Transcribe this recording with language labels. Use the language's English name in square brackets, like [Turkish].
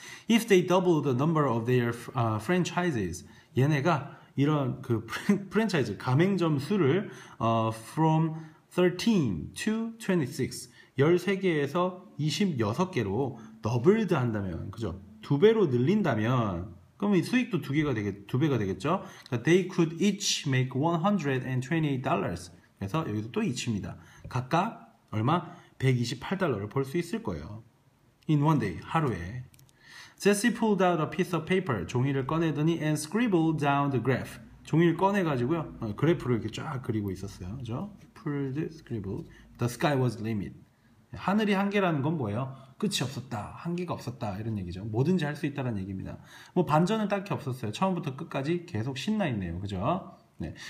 [English] If they double the number of their franchises, 얘네가 이런 그 프랜차이즈 가맹점 수를 from 13 to 26, 13개에서 26개로 더블드 한다면, 그죠? [Korean] 두 배로 늘린다면, 그러면 수익도 두 배가 되겠죠? [English] 그러니까 they could each make $128. [Korean] 그래서 여기서 또 each입니다. 각각 얼마? 128달러를 벌수 있을 거예요. [English] In one day, 하루에. Jesse pulled out a piece of paper. 종이를 꺼내더니 and scribbled down the graph. [Korean] 종이를 꺼내가지고요. 그래프를 이렇게 쫙 그리고 있었어요. [English] 그죠? Pulled, scribbled. The sky was limit. [Korean] 하늘이 한계라는 건 뭐예요? 끝이 없었다. 한계가 없었다. 이런 얘기죠. 뭐든지 할수 있다는 얘기입니다. 뭐 반전은 딱히 없었어요. 처음부터 끝까지 계속 신나 있네요. 그죠? 네.